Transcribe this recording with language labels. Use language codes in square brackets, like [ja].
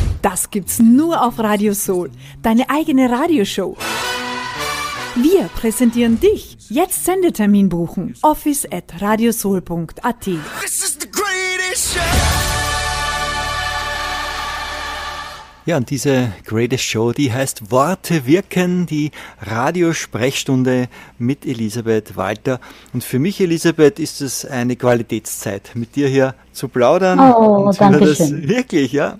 [de] Das gibt's nur auf Radio Soul, deine eigene Radioshow. Wir präsentieren dich. Jetzt Sendetermin buchen. office@radiosoul.at. [en] This is the greatest show. [de] Ja, und diese Greatest Show, die heißt Worte wirken, die Radiosprechstunde mit Elisabeth Walter. Und für mich, Elisabeth, ist es eine Qualitätszeit, mit dir hier zu plaudern. Oh, danke schön. Wirklich, ja.